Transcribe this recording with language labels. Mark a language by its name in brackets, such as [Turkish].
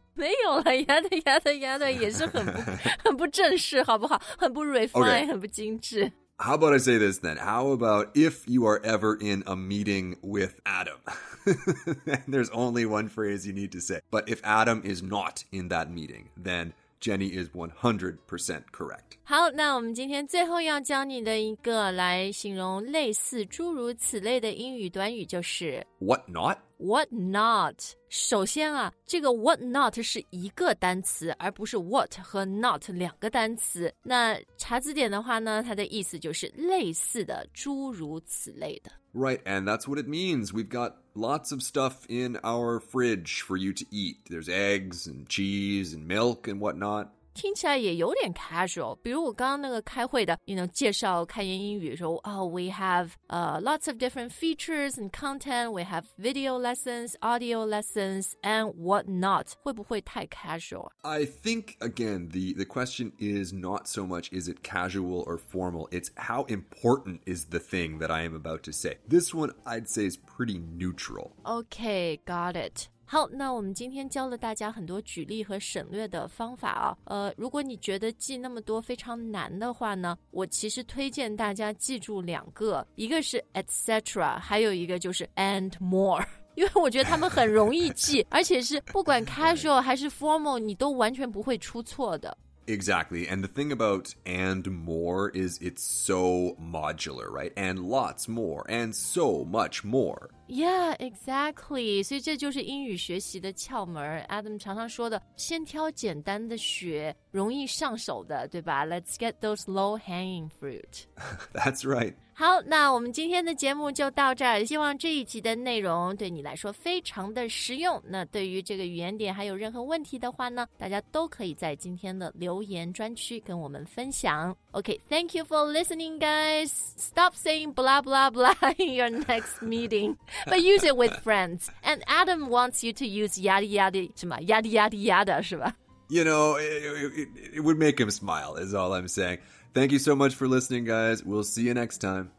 [Chinese] 没有了 yada yada yada 也是很不正式好不好很不 refine、 [English] okay. [Chinese] 很不精致。 [English] How about I say this then? How about if you are ever in a meeting with Adam? And there's only one phrase you need to say. But if Adam is not in that meeting, then Jenny is 100% correct. [Chinese] 好,那我们今天最后要教你的一个来形容类似诸如此类的英语短语就是 [English] What not? [Chinese] What not? 首先啊，这个 what not 是一个单词，而不是 what 和 not 两个单词。那查字典的话呢，它的意思就是类似的，诸如此类的。 [English] Right, and that's what it means. We've got lots of stuff in our fridge for you to eat. There's eggs and cheese and milk and whatnot. [Chinese] 听起来也有点 [English] casual [Chinese] 比如我刚刚那个开会的 [English] you know, [Chinese] 介绍开言英语说、 [English] oh, We have、lots of different features and content We have video lessons, audio lessons and what not [Chinese] 会不会太 [English] casual? I think again the question is not so much is it casual or formal It's how important is the thing that I am about to say This one I'd say is pretty neutral Okay, got it [Chinese] 好，那我们今天教了大家很多举例和省略的方法啊。如果你觉得记那么多非常难的话呢，我其实推荐大家记住两个，一个是 etc， 还有一个就是 and more。因为我觉得他们很容易记，而且是不管 casual 还是 formal， 你都完全不会出错的。 [English] Exactly. And the thing about and more is it's so modular, right? And lots more and so much more. Yeah, exactly. [Chinese] 所以这就是英语学习的窍门。Adam 常常说的，先挑简单的学，容易上手的，对吧？ [English] Let's get those low hanging fruit. That's right. [Chinese] 好，那我们今天的节目就到这儿，希望这一集的内容对你来说非常的实用。那对于这个语言点还有任何问题的话呢，大家都可以在今天的留言专区跟我们分享。 [English] OK, thank you for listening guys. Stop saying blah blah blah in your next meeting, but use it with friends. And Adam wants you to use yada yada, 什么 yada yada yada 是吧？ You know, it would make him smile is all I'm saying. Thank you so much for listening, guys. We'll see you next time.